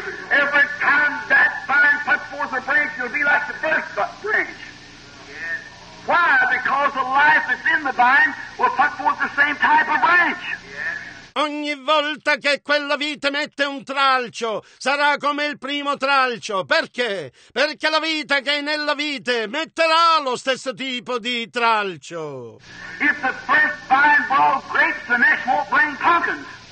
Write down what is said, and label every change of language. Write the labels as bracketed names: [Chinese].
[English] Every time that vine puts forth a branch, you'll be like the first branch. Why? Because the life that's in the vine will put forth the same type of branch. [Italian] Ogni volta che quella vite mette un tralcio, sarà come il primo tralcio. Perché? Perché la vita che è nella vite metterà lo stesso tipo di tralcio. [English] If the first vine brought grapes, the next won't bring pumpkins.